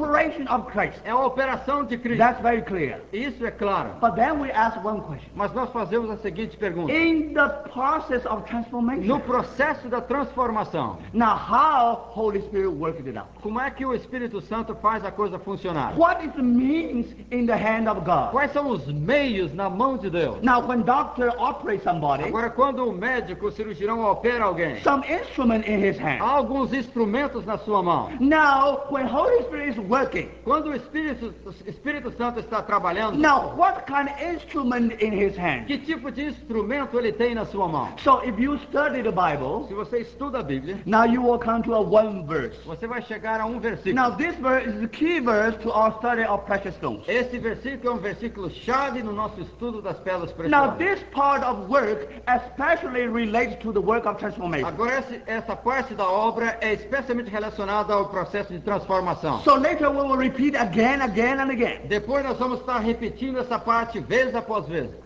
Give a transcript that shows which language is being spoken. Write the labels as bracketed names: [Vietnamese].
[English] Operation of Christ. [Portuguese] É a operação de Cristo. [English] That's very clear. [Portuguese] Isso é claro. [English] But then we ask one question. [Portuguese] Mas nós fazemos a seguinte pergunta. [English] In the process of transformation. [Portuguese] No processo da transformação. [English] Now how Holy Spirit works it out? [Portuguese] Como é que o Espírito Santo faz a coisa funcionar? [English] What it means in the hand of God? [Portuguese] Quais são os meios na mão de Deus? [English] Now when doctor operates somebody. [Portuguese] Agora quando o médico, o cirurgião opera alguém. [English] Some instrument in his hand. [Portuguese] Alguns instrumentos na sua mão. [English] Now when Holy Spirit is working. [Portuguese] Quando o Espírito Santo está trabalhando. [English] Now what kind of instrument in his hand? [Portuguese] Que tipo de instrumento ele tem na sua mão? [English] So if you study the Bible. [Portuguese] Se você estuda a Bíblia. [English] Now you will come to a one verse. [Portuguese] Você vai chegar a um versículo. [English] Now this verse is the key verse to our study of precious stones. [Portuguese] Esse versículo é um versículo chave no nosso estudo das pedras preciosas. [English] Now this part of work especially relates to the work of transformation. [Portuguese] Agora essa parte da obra é especialmente relacionada ao processo de transformação. [English] So later we will repeat again and again. [Portuguese] Depois nós vamos estar repetindo essa parte vez após vez.